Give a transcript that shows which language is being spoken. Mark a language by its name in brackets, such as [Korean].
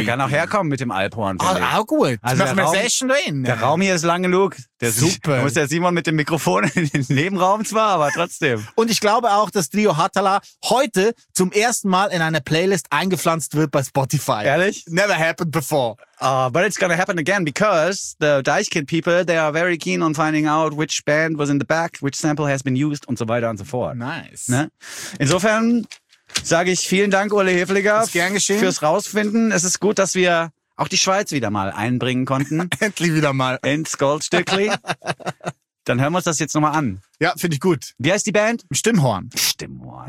[German] Ich kann auch herkommen mit dem Alphorn. Ah, auch gut. Also machen wir eine Session drin. Der Raum hier ist lang genug. Der super. Da muss der Simon mit dem Mikrofon in den Nebenraum zwar, aber trotzdem. Und ich glaube auch, dass Trio Hatala heute zum ersten Mal in eine Playlist eingepflanzt wird bei Spotify. Ehrlich? [English] Never happened before. But it's gonna happen again, because the Deichkind people, they are very keen on finding out which band was in the back, which sample has been used [German] und so weiter und so fort. [English] Nice. [German] Ne? Insofern sage ich vielen Dank, Ulle Hefliger, gern geschehen. Fürs Rausfinden. Es ist gut, dass wir auch die Schweiz wieder mal einbringen konnten. Endlich wieder mal. Ins Goldstückli. Dann hören wir uns das jetzt nochmal an. Ja, finde ich gut. Wie heißt die Band? Stimmhorn. Stimmhorn.